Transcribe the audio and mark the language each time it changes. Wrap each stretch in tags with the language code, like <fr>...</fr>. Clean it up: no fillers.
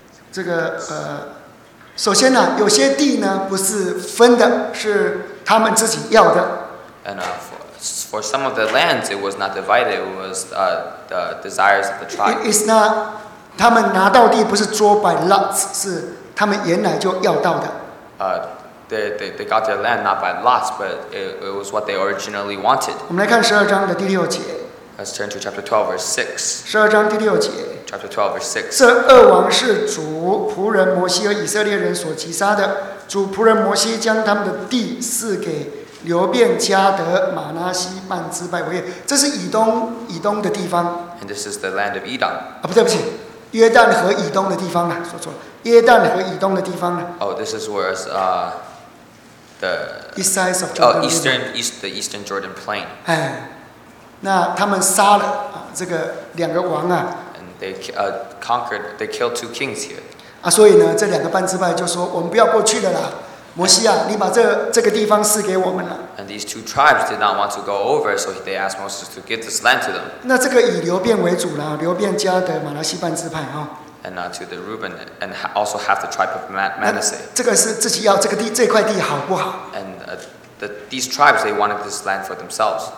<zh>这个首先呢，有些地呢不是分的，是他们自己要的。</zh> <en>And for some of the lands, it was not divided. It was the desires of the tribe. It's not.</en> <zh>他们拿到地不是</zh> <en>draw by lots,</en> <zh>是他们原来就要到的。</zh> <en>They got their land not by lots, but it was what they originally wanted.</en> <zh>我们来看十二章的第六节。</zh> <en>Let's turn to chapter 12, verse 6.</en> <zh>十二章第六节。</zh> <en>Chapter 12, verse 6.</en> <zh>这恶王是主仆人摩西和以色列人所击杀的。主仆人摩西将他们的地赐给流便、加德、马拿西、曼支、拜为业。这是以东的地方。</zh> <en>And this is the land of Edom.</en> <zh>啊，不对不起，约旦河以东的地方啊，说错了，约旦河以东的地方啊。</zh> <en>Oh, this is where the east side of Jordan. The eastern Jordan plain. 哎。</en> <zh>那他们杀了这个两个王啊</zh> <en>，and they conquered, they killed two kings here.</en> <zh>啊，所以呢，这两个半支派就说，我们不要过去了啦，摩西啊，你把这个地方赐给我们了。</zh> <en>And these two tribes did not want to go over, so they asked Moses to give this land to them.</en> <zh>那这个以流便为主啦，流便加德马拿西半支派啊。</zh> <en>And to the Reuben, and also have the tribe of Manasseh.</en> <zh>这个是自己要这个地这块地好不好</zh> <en>？And these tribes they wanted this land for themselves.</en>